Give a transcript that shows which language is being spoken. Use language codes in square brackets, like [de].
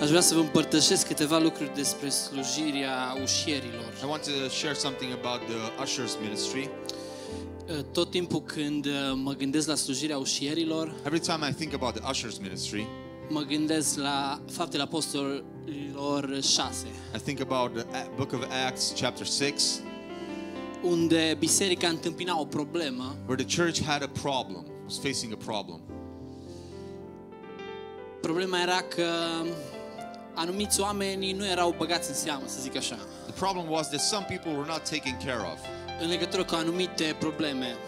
[ro] împărtășesc câteva lucruri despre slujirea ușierilor. [en] I want to share something about the ushers ministry. [ro] Tot timpul când mă gândesc la slujirea ușierilor, [en] every time I think about the ushers ministry, [ro] mă gândesc la Faptele Apostolilor 6. [en] I think about the book of Acts chapter 6. [ro] Unde biserica întâmpina o problemă. [en] Where the church had a problem, was facing a problem. [ro] Problema era că anumiți oameni nu erau băgați în seamă, să zic așa. [en] The problem was that some people were not taken care of. [ro] În legătură cu anumite probleme.